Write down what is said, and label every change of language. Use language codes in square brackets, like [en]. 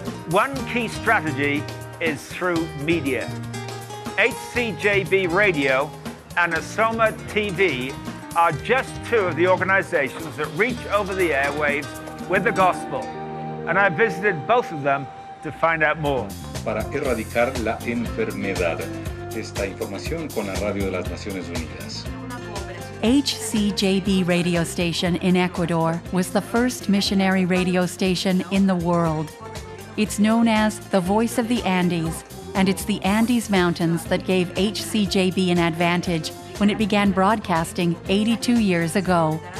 [en] One key strategy is through media. HCJB Radio and Asoma TV are just two of the organizations that reach over the airwaves with the gospel. And I visited both of them to find out more. [es] Para erradicar la enfermedad. Esta información con la Radio de las Naciones Unidas. Una cooperación [en] HCJB radio station in Ecuador was the first missionary radio station in the world. It's known as the Voice of the Andes, and it's the Andes Mountains that gave HCJB an advantage when it began broadcasting 82 years ago.